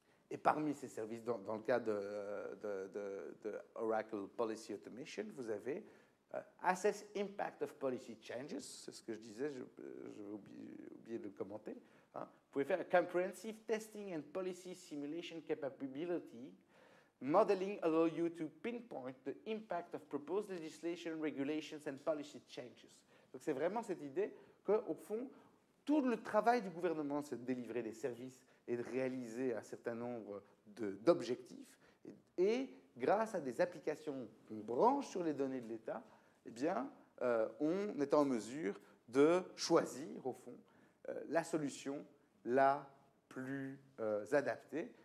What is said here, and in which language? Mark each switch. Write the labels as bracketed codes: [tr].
[fr] Et parmi ces services, dans le cas de Oracle Policy Automation, vous avez Assess Impact of Policy Changes, c'est ce que je disais, j'ai oublié de le commenter. Hein. Vous pouvez faire Comprehensive Testing and Policy Simulation Capability. [en] Modeling allow you to pinpoint the impact of proposed legislation, regulations and policy changes. [fr] Donc c'est vraiment cette idée qu'au fond, tout le travail du gouvernement, c'est de délivrer des services et de réaliser un certain nombre d'objectifs. Et grâce à des applications qu'on branche sur les données de l'État, eh bien, on est en mesure de choisir, au fond, la solution la plus adaptée.